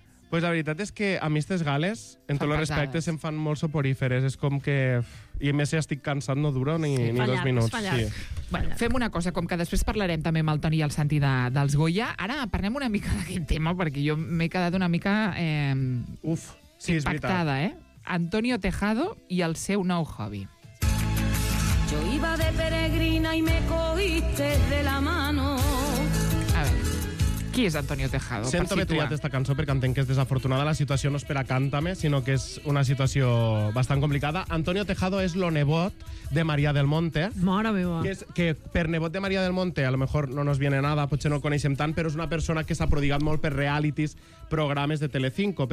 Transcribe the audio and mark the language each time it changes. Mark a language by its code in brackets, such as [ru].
[ca] Pues la veritat és que a mi aquestes gales, en tots els respectes, em fan molt soporíferes. És com que... I a més, si estic cansat, no dura ni dos minuts. Sí. Bueno, fem una cosa, com que després parlarem també amb el Toni i el Santi dels Goya, ara parlem una mica d'aquest tema, perquè jo m'he quedat una mica impactada. Sí, Antonio Tejado i el seu nou hobby. [es] Yo iba de peregrina y me cogiste de la mano. [ca] Qui és Antonio Tejado? Sento bé triat esta cançó perquè entenc que és desafortunada. La situació no és per a Cántame, sinó que és una situació bastant complicada. Antonio Tejado és lo nebot de María del Monte. Mare meva. Que per nebot de María del Monte [es] a lo mejor no nos viene nada, [ca] potser no el coneixem tant, però és una persona que s'ha prodigat molt per realities, programes de Telecinco.